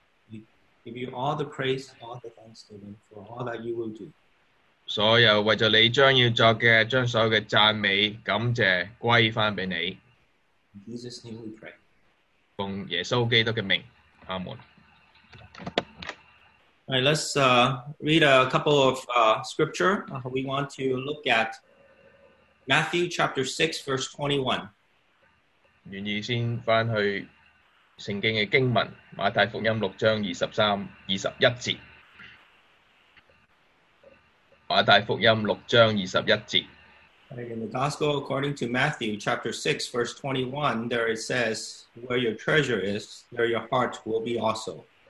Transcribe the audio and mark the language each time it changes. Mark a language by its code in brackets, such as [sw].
[en] We give you all the praise, all the thanksgiving for all that you will do. [zh] 所有為著你將要作的，將所有的讚美、感謝歸返給你。 [en] In Jesus' name we pray. [zh] 奉耶穌基督的名，阿門。 [en] All right, let's read a couple of scripture. We want to look at Matthew chapter 6, verse 21. [zh] 願意先翻去聖經的經文，馬太福音6章21節。馬太福音6章21節。 [en] In the Gospel according to Matthew chapter 6, verse 21, there it says, where your treasure is, there your heart will be also.